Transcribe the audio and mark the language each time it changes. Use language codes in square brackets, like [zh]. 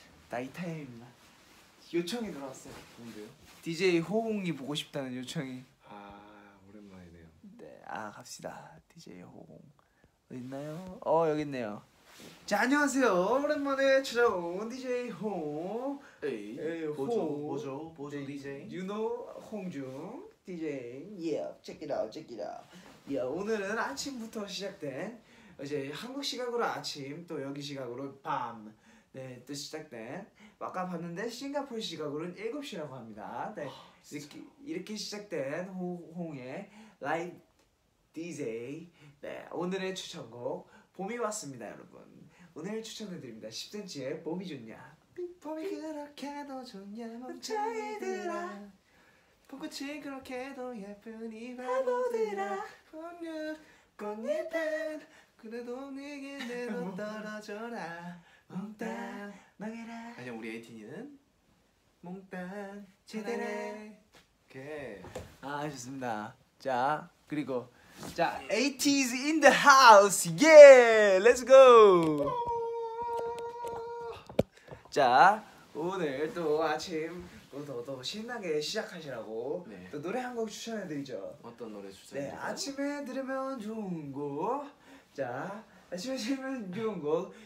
[ko] 나이 타임입니다. 요청이 들어왔어요. 뭔데요? DJ 호공이 보고 싶다는 요청이. 아, 오랜만이네요. 네, 아, 갑시다. DJ 호공 어디 있나요? 어, 여기 있네요. 자, 안녕하세요. 오랜만에 찾아온 DJ 홍. 보조 DJ. [en] You know 홍중 DJ. Yeah, check it out. Yeah, [ko] 오늘은 아침부터 시작된 이제 한국 시각으로 아침, 또 여기 시각으로 밤. 네, 또 시작된. 아까 봤는데 싱가포르 시각으로는 7시라고 합니다. 네. 아, 이렇게 시작된 홍의 Live DJ. 네, 오늘의 추천곡 봄이 왔습니다, 여러분. 오늘 추천해드립니다. 10cm의 봄이 좋냐. 봄이 그렇게도 좋냐 멍청이들아. 봄꽃이 그렇게도 예쁘니 바보들아. 봄육 꽃잎은 그래도 네게 내로 떨어져라. 몽땅 망해라. 아니, 우리 에이티니는 몽땅 제대로 해. 오케이. 아, 좋습니다. 자, 그리고 자, [en] 80s in the house. 예! Yeah! Let's go. [ko] 자, 오늘 또 아침 또 신나게 시작하시라고 네. 또 노래 한 곡 추천해 드리죠. 어떤 노래 추천해 드릴까요? 네, 아침에 들으면 좋은 곡. 자, 아침에 들으면 좋은 곡.